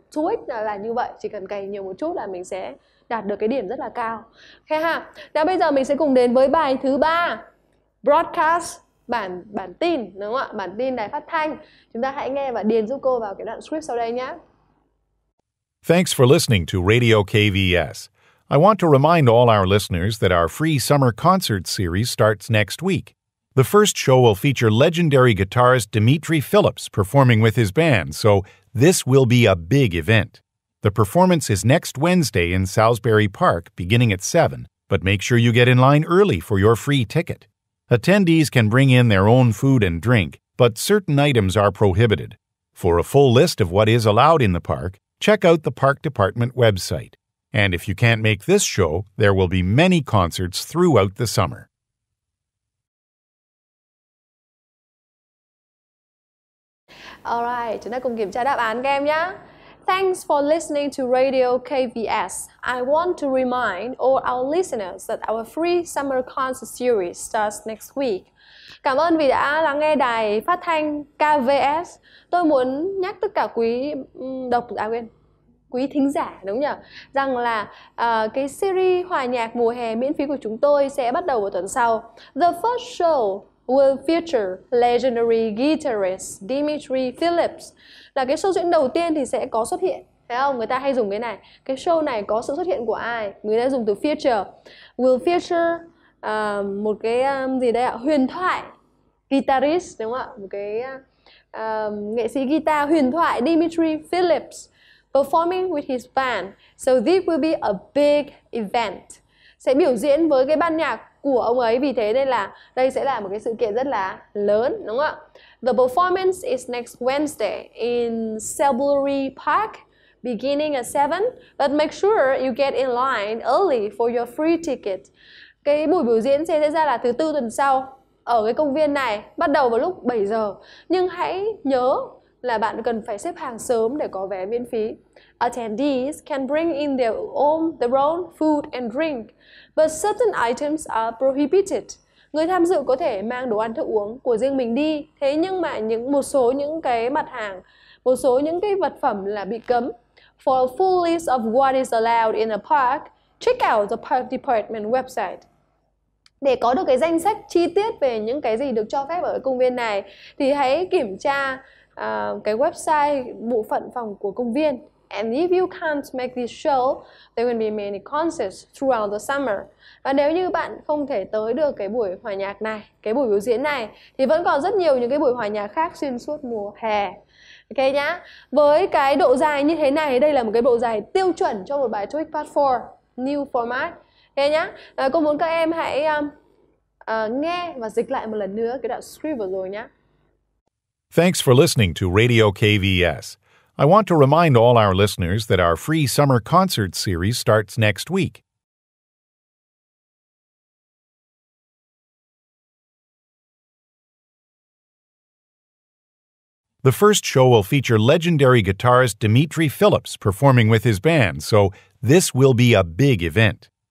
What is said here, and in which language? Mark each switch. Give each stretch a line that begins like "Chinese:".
Vietnamese: Chú ích là như vậy, chỉ cần cày nhiều một chút là mình sẽ đạt được cái điểm rất là cao. Ok ha. Thế bây giờ mình sẽ cùng đến với bài thứ 3. Broadcast, bản tin đúng không ạ? Bản tin đài phát thanh. Chúng ta hãy nghe và điền giúp cô vào cái đoạn script sau đây nhé.
English: Thanks for listening to Radio KVS. I want to remind all our listeners that our free summer concert series starts next week. The first show will feature legendary guitarist Dimitri Phillips performing with his band, so this will be a big event. The performance is next Wednesday in Salisbury Park beginning at 7, but make sure you get in line early for your free ticket. Attendees can bring in their own food and drink, but certain items are prohibited. For a full list of what is allowed in the park, check out the Park Department website. And if you can't make this show, there will be many concerts throughout the summer. All right,
Vietnamese: chúng ta cùng kiểm tra đáp án các em nhé.
English: Thanks for listening to Radio KVS. I want to remind all our listeners that our free summer concert series starts next week.
Vietnamese: Cảm ơn vì đã lắng nghe đài phát thanh KVS. Tôi muốn nhắc tất cả quý độc giả, quý thính giả đúng nhỉ, rằng là cái series hòa nhạc mùa hè miễn phí của chúng tôi sẽ bắt đầu vào tuần sau.
English: The first show will feature legendary guitarist Dimitri Phillips.
Vietnamese: Là cái show diễn đầu tiên thì sẽ có xuất hiện, thấy không? Người ta hay dùng cái này. Cái show này có sự xuất hiện của ai? Người ta dùng từ feature. Will feature một cái gì đây ạ? Huyền thoại guitarist đúng không ạ? Một cái nghệ sĩ guitar huyền thoại Dimitri Phillips
English: performing with his band. So this will be a big event.
Vietnamese: Sẽ biểu diễn với cái ban nhạc của ông ấy, vì thế nên là đây sẽ là một cái sự kiện rất là lớn đúng không ạ?
English: The performance is next Wednesday in Salisbury Park beginning at 7, but make sure you get in line early for your free ticket.
Vietnamese: Cái buổi biểu diễn sẽ diễn ra là thứ tư tuần sau ở cái công viên này, bắt đầu vào lúc 7 giờ. Nhưng hãy nhớ là bạn cần phải xếp hàng sớm để có vé miễn phí.
English: Attendees can bring in their own food and drink, but certain items are prohibited.
Vietnamese: Người tham dự có thể mang đồ ăn thức uống của riêng mình đi, thế nhưng mà một số những cái vật phẩm là bị cấm.
English: For a full list of what is allowed in a park, check out the park department website.
Vietnamese: Để có được cái danh sách chi tiết về những cái gì được cho phép ở công viên này thì hãy kiểm tra cái website bộ phận phòng của công viên.
English: And if you can't make this show, there will be many concerts throughout the summer.
Vietnamese: Và nếu như bạn không thể tới được cái buổi hòa nhạc này, cái buổi biểu diễn này, thì vẫn còn rất nhiều những cái buổi hòa nhạc khác xuyên suốt mùa hè. Ok nhá. Với cái độ dài như thế này, đây là một cái độ dài tiêu chuẩn cho một bài Trick Part 4, new format. Ok nhá. Cô muốn các em hãy nghe và dịch lại một lần nữa cái đoạn script vừa rồi nhá.
English: Thanks for listening to Radio KVS. I want to remind all our listeners that our free summer concert series starts next week. The first show will feature legendary guitarist Dimitri Phillips performing with his band, so this will be a big event.